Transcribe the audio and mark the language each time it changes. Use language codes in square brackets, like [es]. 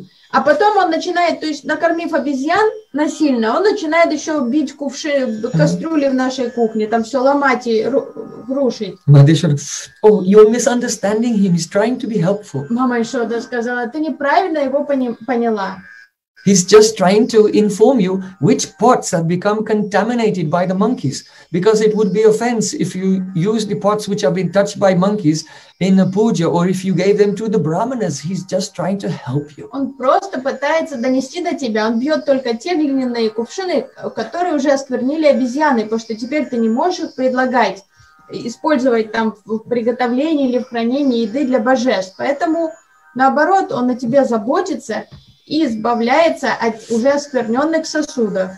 [ru] А потом он начинает, то есть накормив обезьян насильно, он начинает еще бить кувши, кастрюли в нашей кухне, там все ломать и рушить. [en] Мадишар, oh, you're misunderstanding him, he's trying to be helpful. [ru] Мама Ишода сказала, ты неправильно его поняла. [en] He's just trying to inform you which pots have become contaminated by the monkeys, because it would be offense if you use the pots which have been touched by monkeys in a puja, or if you gave them to the brahmanas. He's just trying to help you. [ru] Он просто пытается донести до тебя. Он бьет только те глиняные кувшины, которые уже осквернили обезьяны, потому что теперь ты не можешь предлагать использовать там в приготовлении или в хранении еды для божеств. Поэтому наоборот, он о тебе заботится. И избавляется от уже оскверненных сосудов.